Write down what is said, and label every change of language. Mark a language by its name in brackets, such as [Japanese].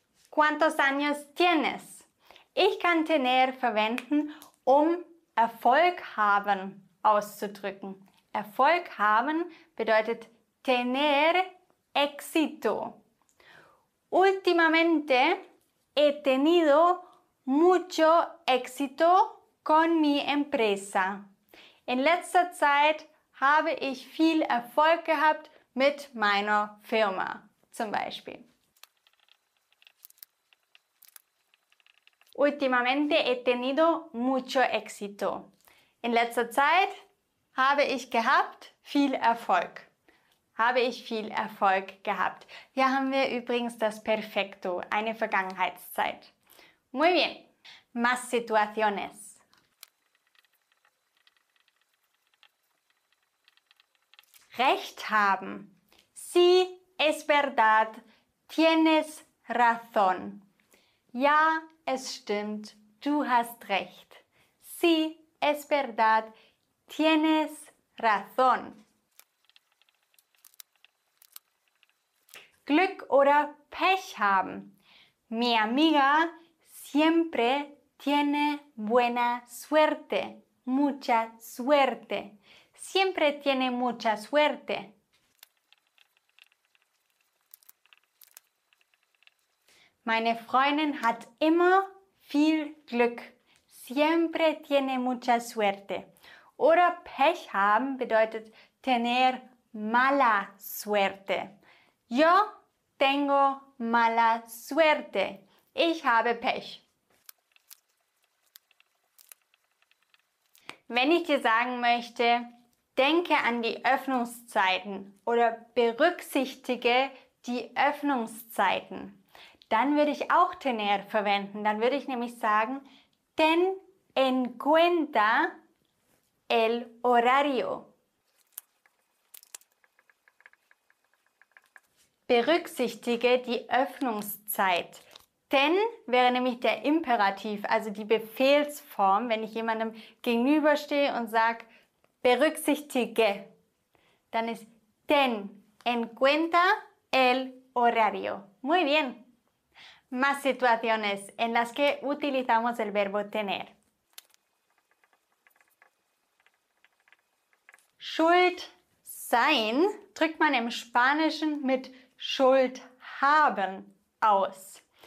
[Spanish] ¿Cuántos años tienes? [German] Ich kann tener verwenden, um Erfolg haben auszudrücken. Erfolg haben bedeutet [Spanish] tener éxito. Últimamente he tenido mucho éxito con mi empresa. [German] In letzter Zeit habe ich viel Erfolg gehabt mit meiner Firma, zum Beispiel. [Spanish] Últimamente he tenido mucho éxito. [German] In letzter Zeit habe ich gehabt viel Erfolg. Habe ich viel Erfolg gehabt. Hier haben wir übrigens das Perfecto, eine Vergangenheitszeit. [Spanish] Muy bien. Más situaciones. [German] Recht haben. [Spanish] Sí, es verdad. Tienes razón. [German] Ja, es stimmt. Du hast recht. [Spanish] Sí, es verdad. Tienes razón. [German] Glück oder Pech haben. [Spanish] Mi amiga siempre tiene buena suerte. Mucha suerte. Siempre tiene mucha suerte. [German] Meine Freundin hat immer viel Glück. [Spanish] Siempre tiene mucha suerte. [German] Oder Pech haben bedeutet [Spanish] tener mala suerte. Yo tengo mala suerte. [German] Ich habe Pech. Wenn ich dir sagen möchte, denke an die Öffnungszeiten oder berücksichtige die Öffnungszeiten, dann würde ich auch tener verwenden. Dann würde ich nämlich sagen, [Spanish] ten en cuenta el horario. [German] Berücksichtige die Öffnungszeit. Ten wäre nämlich der Imperativ, also die Befehlsform, wenn ich jemandem gegenüberstehe und sage, berücksichtige, dann ist [Spanish] ten en cuenta el horario. Muy bien. Más situaciones en las que utilizamos el verbo tener. [German] Schuld sein drückt man im Spanischen mit Schuld haben aus.